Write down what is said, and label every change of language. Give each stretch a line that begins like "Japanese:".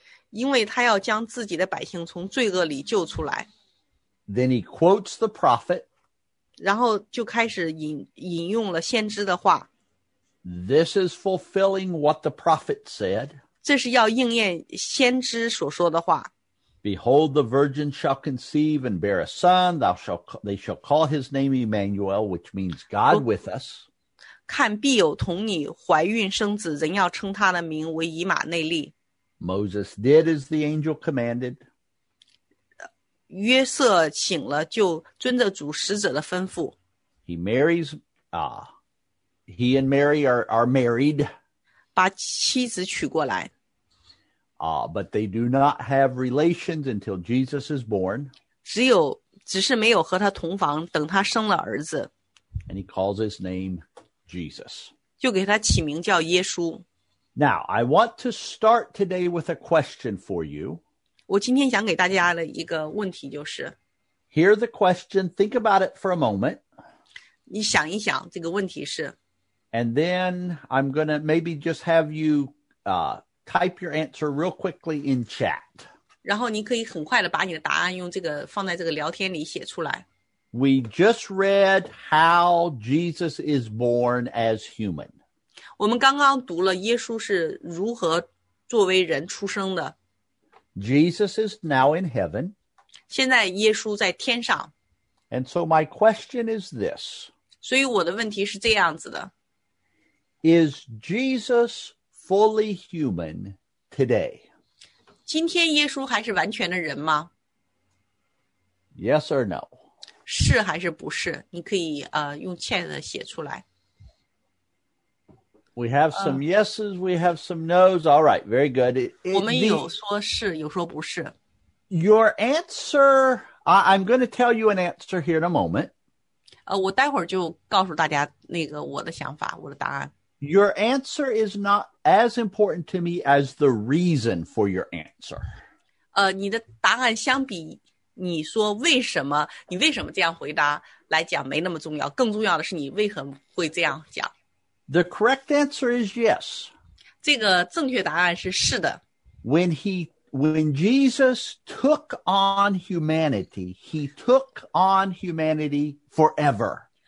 Chinese: 因为他要将自己的百姓从罪恶里救出来。
English: Then he quotes the prophet.
Chinese: 然后就开始引用了先知的话。
English: This is fulfilling what the prophet said.
Chinese: 这是要应验先知所说的话。
English: Behold, the virgin shall conceive and bear a son. They shall call his name Emmanuel, which means God with us.
Chinese: 看必有童女怀孕生子，人要称他的名为以马内利。
English: Moses did as the angel commanded.
Chinese: 约瑟醒了，就遵着主使者的吩咐。
English: He marries, he and Mary are married.
Chinese: 把妻子娶过来。
English: But they do not have relations until Jesus is born.
Chinese: 只是没有和他同房，等他生了儿子。
English: And he calls his name Jesus.
Chinese: 就给他起名叫耶稣。
English: Now, I want to start today with a question for you.
Chinese: 我今天想给大家的一个问题就是
English: Hear the question, think about it for a moment.
Chinese: 你想一想这个问题是
English: And then I'm going to maybe just have you type your answer real quickly in chat.
Chinese: 然后你可以很快的把你的答案用这个放在这个聊天里写出来。
English: We just read how Jesus is born as human.
Chinese: 我们刚刚读了耶稣是如何作为人出生的。
English: Jesus is now in heaven.
Chinese: 现在耶稣在天上。
English: And so my question is this.
Chinese: 所以我的问题是这样子的。
English: Is Jesus fully human today?
Chinese: 今天耶稣还是完全的人吗？
English: Yes or no?
Chinese: 是还是不是？你可以用chat写出来。
English: We have some yeses, we have some noes. All right, very good.
Chinese: 我们有说是，有说不是。
English: Your answer, I'm going to tell you an answer here in a moment.
Chinese: 我待会儿就告诉大家那个我的想法，我的答案。
English: Your answer is not as important to me as the reason for your answer.
Chinese: 你的答案相比你说为什么，你为什么这样回答来讲没那么重要，更重要的是你为何会这样讲。
English: The correct answer is yes.
Chinese: 这个正确答案是是的。
English: When Jesus took on humanity, he took on humanity forever.